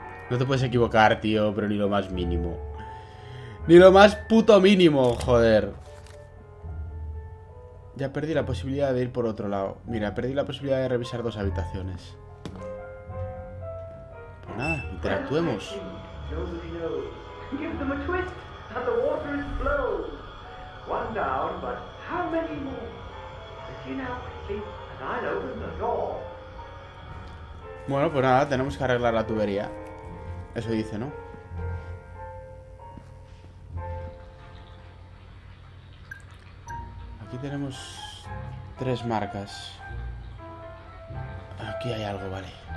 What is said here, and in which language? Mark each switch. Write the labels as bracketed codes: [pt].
[es] No te puedes equivocar, tío, pero ni lo más mínimo. Ni lo más puto mínimo, joder. Ya perdí la posibilidad de ir por otro lado. Mira, perdí la posibilidad de revisar dos habitaciones. Pues nada, interactuemos. [en] Give them a twist, and the water is flowed. One down, but how many more? Begin now quickly, and I'll open the door. [es] Bueno, pues nada, tenemos que arreglar la tubería. Eso dice, ¿no? Aquí tenemos tres marcas. Aquí hay algo, vale.